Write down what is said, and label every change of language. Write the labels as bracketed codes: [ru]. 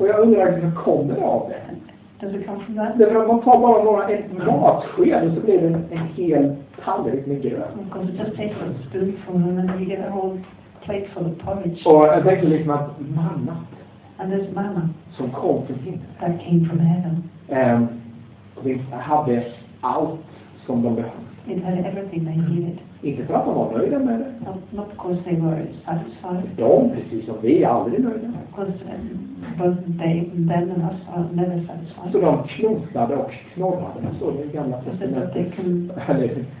[sv] Och jag undrar hur kommer det av det? [en] Does it come from that? [sv] Det är för att man tar bara några en matsked och så blir det en hel tallrik med gröt. [en] Because it just takes a spoonful and then you get a whole plate full of porridge. [sv] Och jag tänkte liksom att manna. [en] And there's manna. [sv] Som kom från himlen. [en] That came from heaven. [sv] Det hade allt som de behövde. [en] It had everything they needed. [sv] Inte för att de var nöjda med det. [en] Not because they were satisfied. [sv] De, precis som vi, är aldrig nöjda. [en] Because both them and us are never satisfied. [sv] Så de knotade och knorrade. Så det är gamla testamentet.